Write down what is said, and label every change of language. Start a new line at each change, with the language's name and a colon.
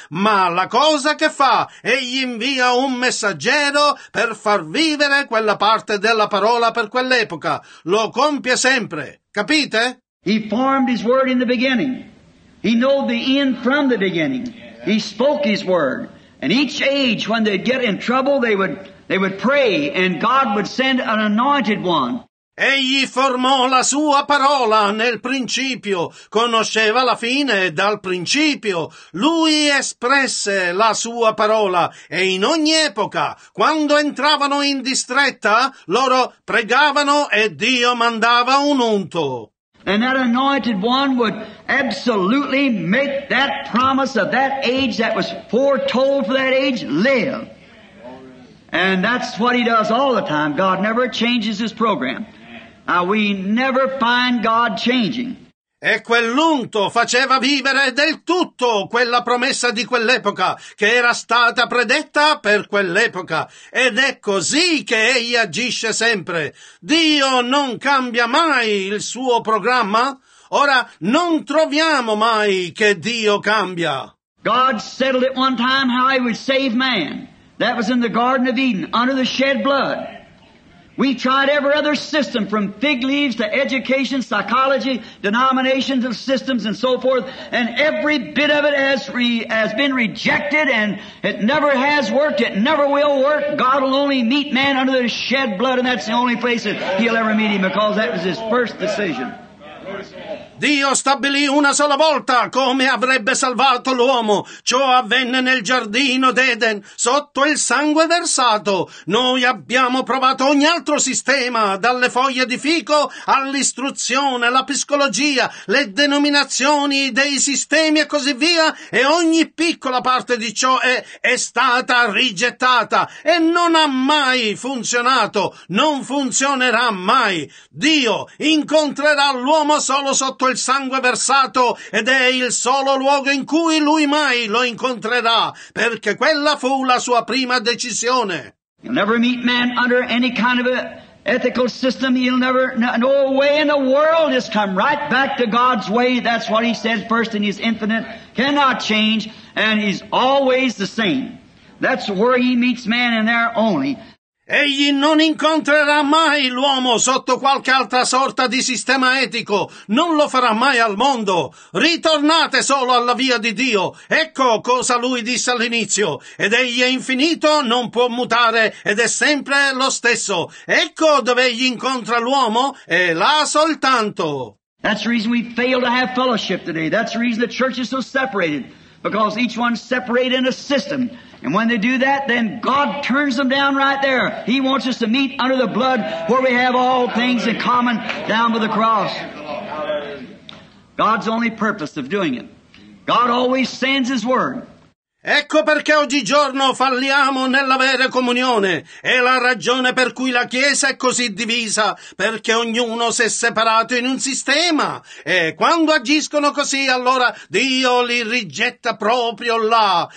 Italian: Ma la cosa che fa, egli invia un messaggero per far vivere quella parte della parola per quell'epoca. Lo compie sempre. Capite?
English: He formed His word in the beginning. He knew the end from the beginning. He spoke His word. And each age, when they'd get in trouble, they would pray, and God would send an anointed one.
Italian: Egli formò la sua parola nel principio, conosceva la fine dal principio. Lui espresse la sua parola, e in ogni epoca, quando entravano in distretta, loro pregavano e Dio mandava un unto.
English: And that anointed one would absolutely make that promise of that age that was foretold for that age live. And that's what he does all the time. God never changes his program. Now, we never find God changing.
Italian: E quell'unto faceva vivere del tutto quella promessa di quell'epoca che era stata predetta per quell'epoca. Ed è così che egli agisce sempre. Dio non cambia mai il suo programma. Ora non troviamo mai che Dio cambia.
English: God settled at one time how he would save man. That was in the Garden of Eden, under the shed blood. We tried every other system, from fig leaves to education, psychology, denominations of systems, and so forth, and every bit of it has been rejected, and it never has worked, it never will work. God will only meet man under the shed blood, and that's the only place that he'll ever meet him, because that was his first decision.
Italian: Dio stabilì una sola volta come avrebbe salvato l'uomo. Ciò avvenne nel giardino d'Eden, sotto il sangue versato. Noi abbiamo provato ogni altro sistema, dalle foglie di fico all'istruzione, la psicologia, le denominazioni dei sistemi e così via, e ogni piccola parte di ciò è stata rigettata e non ha mai funzionato, non funzionerà mai. Dio incontrerà l'uomo solo sotto il sangue versato, ed è il solo luogo in cui lui mai lo incontrerà, perché quella fu la sua prima decisione.
English: You'll never meet man under any kind of a ethical system. He'll never, no way in the world, has come right back to God's way. That's what he said first, and he's infinite, cannot change, and he's always the same. That's where he meets man, and there only.
Italian: Egli non incontrerà mai l'uomo sotto qualche altra sorta di sistema etico, non lo farà mai al mondo. Ritornate solo alla via di Dio. Ecco cosa lui disse all'inizio. Ed egli è infinito, non può mutare, ed è sempre lo stesso. Ecco dove egli incontra l'uomo, e là soltanto.
English: That's the reason we fail to have fellowship today. That's the reason the church is so separated, because each one's separated in a system. And when they do that, then God turns them down right there. He wants us to meet under the blood where we have all things in common down by the cross. God's only purpose of doing it. God always sends his word.
Italian: Ecco perché oggigiorno falliamo nella vera comunione. È la ragione per cui la Chiesa è così divisa, perché ognuno si è separato in un sistema. E quando agiscono così, allora Dio li rigetta proprio là.